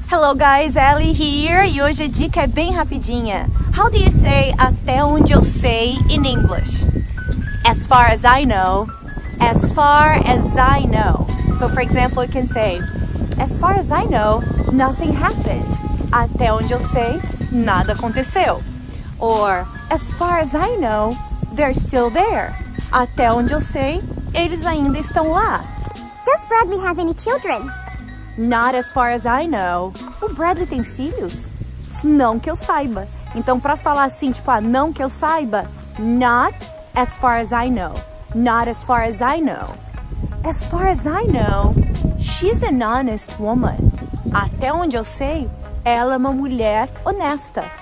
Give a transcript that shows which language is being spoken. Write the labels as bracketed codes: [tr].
[en] Hello guys, Allie here, [pt] e hoje a dica é bem rapidinha. [en] How do you say [pt] até onde eu sei [en] in English? As far as I know, as far as I know. So for example, you can say, as far as I know, nothing happened. [pt] Até onde eu sei, nada aconteceu. [en] Or, as far as I know, they're still there. [pt] Até onde eu sei, eles ainda estão lá. [en] Does Bradley have any children? Not as far as I know. [pt] O Bradley tem filhos? Não que eu saiba. Então, para falar assim, tipo, ah, não que eu saiba, [en] not as far as I know. Not as far as I know. As far as I know, she's an honest woman. [pt] Até onde eu sei, ela é uma mulher honesta.